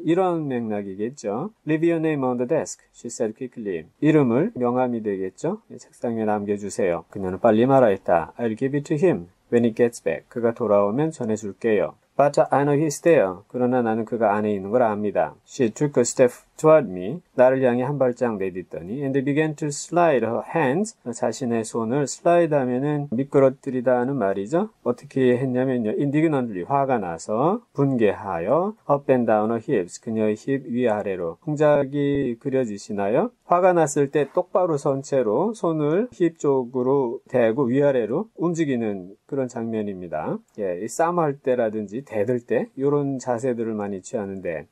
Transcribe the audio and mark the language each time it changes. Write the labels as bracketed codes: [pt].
[ko] 이런 맥락이겠죠. [en] Leave your name on the desk, she said quickly. [ko] 이름을 명함이 되겠죠? 책상에 남겨주세요. 그녀는 빨리 말하였다. [en] I'll give it to him when he gets back. [ko] 그가 돌아오면 전해줄게요. [en] But I know he's there. [ko] 그러나 나는 그가 안에 있는 걸 압니다. [en] She took a step toward me. [ko] 나를 향해 한 발짝 내딛더니 [en] and began to slide her hands. [ko] 자신의 손을 slide 하면은 미끄러뜨리다 하는 말이죠. 어떻게 했냐면요. [en] Indignantly, [ko] 화가 나서 분개하여 [en] up and down her hips. [ko] 그녀의 힙 위아래로. 동작이 그려지시나요? 화가 났을 때 똑바로 선 채로 손을 힙 쪽으로 대고 위아래로 움직이는 그런 장면입니다. 예, 싸움할 때라든지 대들 때 이런 자세들을 많이 취하는데